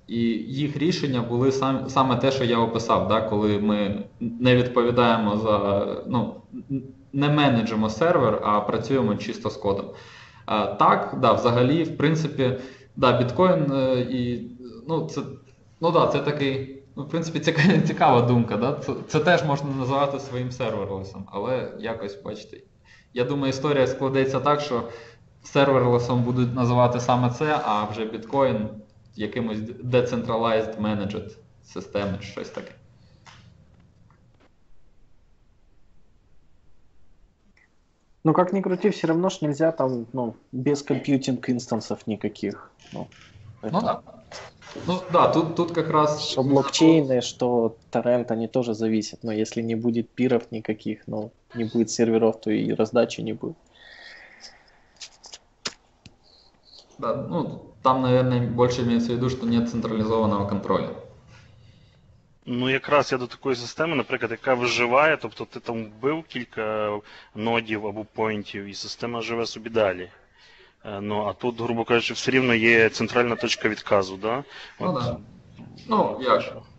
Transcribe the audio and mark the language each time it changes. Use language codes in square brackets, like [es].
[uk] І їх рішення були саме те, що я описав, да, коли ми не відповідаємо за, ну, не менеджимо сервер, а працюємо чисто з кодом. Так, да, взагалі, в принципі, да, біткоін і, ну, це. Ну да, це такий, в принципі, цікава думка, да? Це теж можна називати своїм серверлесом, але якось, бачите, я думаю, історія складеться так, що серверлесом будуть називати саме це, а вже біткоін якимось [en] decentralized managed [uk] системи чи щось таке. [ru] Ну как ни крути, все равно ж нельзя там, ну, без [uk] комп'ютинг інстансів [ru] никаких. Ну, это... ну да. Ну да, тут как раз... Что блокчейны, что торрент, они тоже зависят. Но если не будет пиров никаких, ну, не будет серверов, то и раздачи не будет. Да, ну, там, наверное, больше имеется в виду, что нет централизованного контроля. [uk] Ну, якраз я до такої системи, наприклад, яка виживає, тобто ти там вбив кілька нодів або поінтів, і система живе собі далі. Ну, а тут, грубо кажучи, все рівно є центральна точка відказу, да? Ну, от... да. Ну, як?